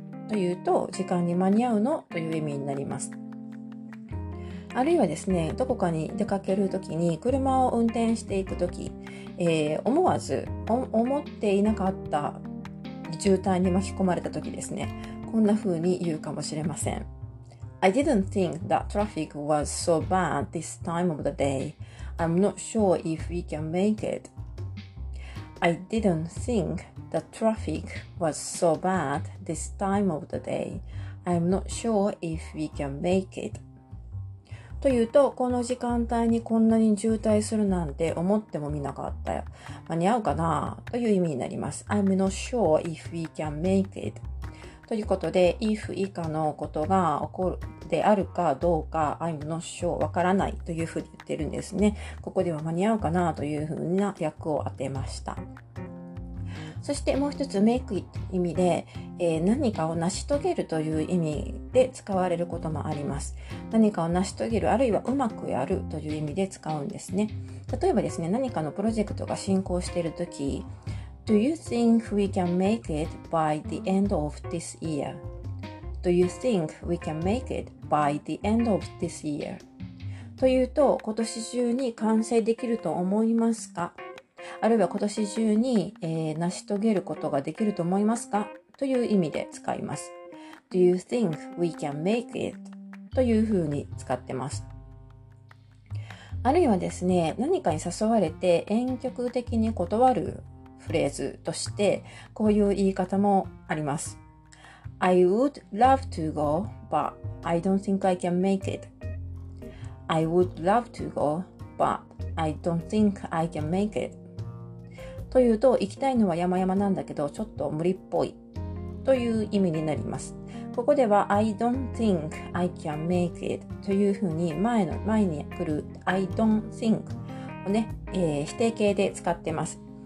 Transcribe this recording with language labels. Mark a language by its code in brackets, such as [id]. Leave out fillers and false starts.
[ja] というと、時間に間に合うの?という意味になります。あるいはですね、どこかに出かけるときに車を運転していくとき、思わず思っていなかった渋滞に巻き込まれたときですね、こんな風に言うかもしれません。 [en] I didn't think that traffic was so bad this time of the day. I'm not sure if we can make it. I didn't think that traffic was so bad this time of the day. I'm not sure if we can make it. [ja] というと、この時間帯にこんなに渋滞するなんて思ってもみなかったよ。間に合うかなという意味になります。 [en] I'm not sure if we can make it. [ja] ということで、if 以下のことが起こるであるかどうか、 [en] I'm not sure [ja] わからないというふうに言ってるんですね。ここでは間に合うかなというふうな訳を当てました。そしてもう一つ、make it という意味で、何かを成し遂げるという意味で使われることもあります。何かを成し遂げる、あるいはうまくやるという意味で使うんですね。例えばですね、何かのプロジェクトが進行しているとき、 [en] Do you think we can make it by the end of this year? Do you think we can make it by the end of this year? [ja] というと、今年中に完成できると思いますか? あるいは今年中に、成し遂げることができると思いますか? という意味で使います。 [en] Do you think we can make it? [ja] というふうに使ってます。あるいはですね、何かに誘われて婉曲的に断るフレーズとして、こういう言い方もあります。 [en] I would love to go, but I don't think I can make it. I would love to go, but I don't think I can make it. [ja] というと、行きたいのは山々なんだけど、ちょっと無理っぽいという意味になります。ここでは [en] I don't think I can make it [ja] というふうに前に来る [en] I don't think [ja] をね、否定形で使ってます。